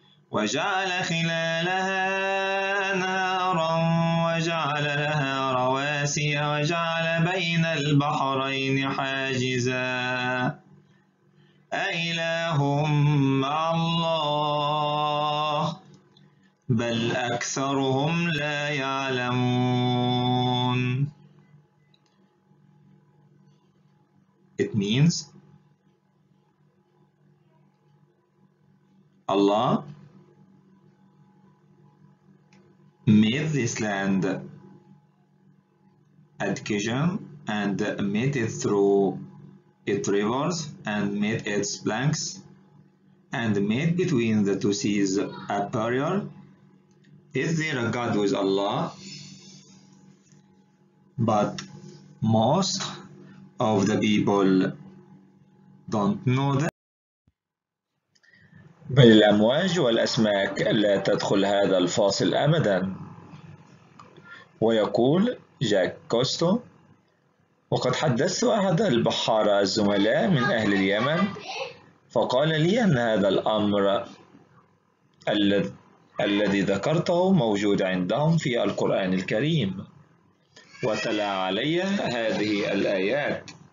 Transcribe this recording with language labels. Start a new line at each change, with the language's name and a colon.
Arabic: وجعل خلالها أنهارا وجعل لها رواسي وجعل بين البحرين حاجزا أإله مع الله بل أكثرهم لا يعلمون.
English: It means Allah made this land at Kijan and made it through it rivers and made its banks and made between the two seas a barrier. Is there a God with Allah? But most of the people don't know that.
Arabic: بل الأمواج والأسماك لا تدخل هذا الفاصل أبدا. ويقول جاك كوستو: وقد حدثت أحد البحارة الزملاء من أهل اليمن فقال لي أن هذا الأمر الذي ذكرته موجود عندهم في القرآن الكريم وتلا علي هذه الآيات.